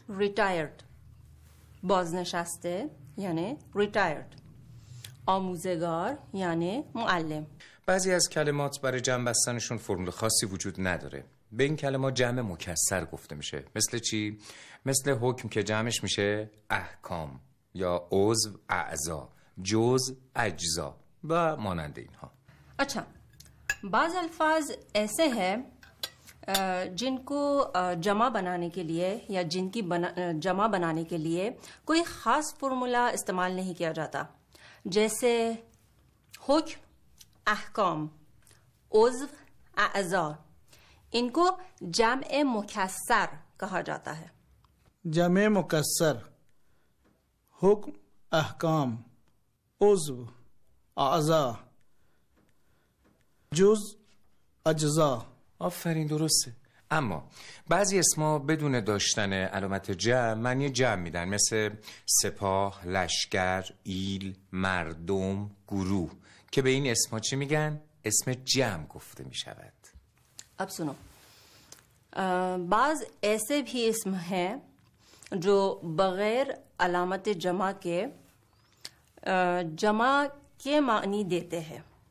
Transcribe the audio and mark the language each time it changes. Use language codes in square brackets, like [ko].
[fa] ریتایرد، بازنشسته یعنی ریتایرد، آموزگار یعنی معلم. بعضی از کلمات برای جمع بستنشون فرمول خاصی وجود نداره. به این کلمات جمع مکسر گفته میشه. مثل چی؟ مثل حکم که جمعش میشه احکام، یا عضو اعضا، جز اجزا و مانند اینها. [ur] اچھا، بعض الفاظ ایسے ہیں جن کو جمع بنانے کے لیے یا جن کی جمع بنانے کے لیے کوئی خاص فرمولا استعمال نہیں کیا جاتا، جیسے حکم، احکام، عضو، اعضا. ان کو جمع مکسر کہا جاتا ہے. [fa] جمع مکسر، حکم، احکام، عضو، اعضا، جز، اجزا. آفرین، درسته. اما بعضی اسما بدون داشتن علامت جمع معنی جمع میدن، مثل سپاه، لشکر، ایل، مردم، گروه، که به این اسما چی میگن؟ اسم جمع گفته میشود. [ur] اب سنو، بعض ایسے بھی اسم ہیں جو بغیر علامت جمع کے جمع کے معنی دیتے ہیں،